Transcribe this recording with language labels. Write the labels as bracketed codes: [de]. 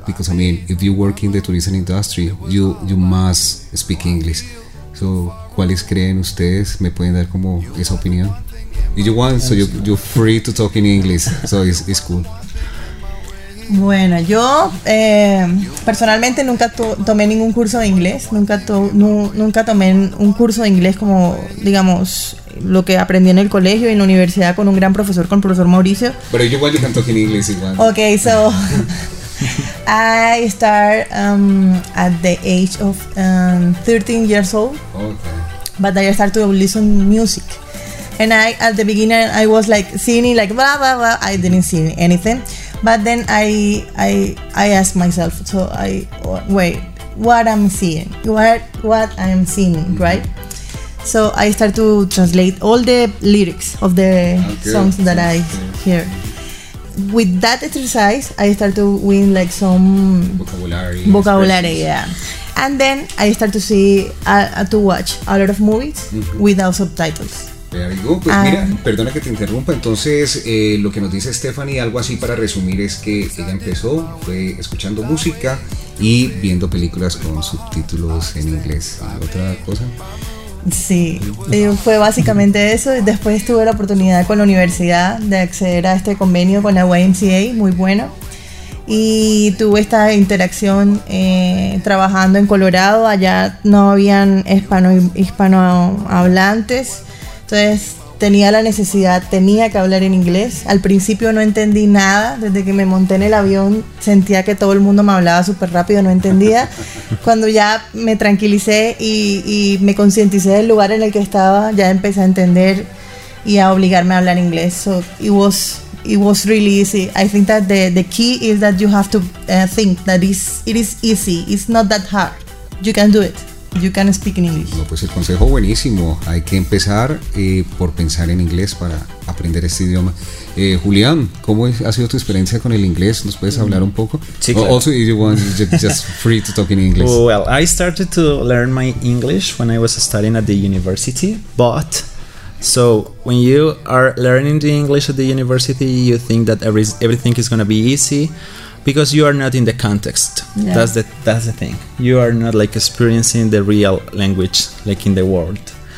[en] Because I mean, if you work in the tourism industry, you must speak English. [es] So, ¿cuáles creen ustedes? ¿Me pueden dar como esa opinión? [en] If you want, so you're free to talk in English, so it's cool. [es] Bueno, yo personalmente nunca tomé ningún curso de inglés, nunca tomé un curso de inglés como, digamos, lo que aprendí en el colegio y en la universidad con un gran profesor, con el profesor Mauricio. Pero yo igual canto en inglés igual. [en] Ok, so, I start at the age of 13 years old, okay. But I start to listen music. And I, at the beginning, I was like singing, like blah blah blah. I didn't see anything, but then I asked myself. So I wait, what I'm seeing? What I'm seeing, right? So I start to translate all the lyrics of the songs that I hear. With that exercise, I start to win like some vocabulary, yeah. And then I start to see to watch a lot of movies without subtitles. Very good. [es] Pues mira, perdona que te interrumpa. Entonces, lo que nos dice Stephanie, algo así para resumir, es que ella empezó fue escuchando música y viendo películas con subtítulos en inglés. ¿Otra cosa? Sí, fue básicamente eso. Después tuve la oportunidad con la universidad de acceder a este convenio con la YMCA, muy bueno. Y tuve esta interacción trabajando en Colorado. Allá no habían hispanohablantes. Entonces tenía la necesidad, tenía que hablar en inglés. Al principio no entendí nada. Desde que me monté en el avión, sentía que todo el mundo me hablaba súper rápido, no entendía. Cuando ya me tranquilicé y me concienticé del lugar en el que estaba, ya empecé a entender y a obligarme a hablar inglés. [en] So it was really easy. I think that the key is that you have to think that it is easy. It's not that hard. You can do it. You can speak in English. [es] No, pues el consejo buenísimo. Hay que empezar por pensar en inglés para aprender este idioma. Julián, ¿cómo ha sido tu experiencia con el inglés? ¿Nos puedes hablar un poco? Sí, claro. [en] Also, if you want, just free to talk in English. Well, I started to learn my English when I was studying at the university. But, so, when you are learning the English at the university, you think that everything is going to be easy. Because you are not in the context. Yeah. That's the thing. You are not like experiencing the real language, like in the world.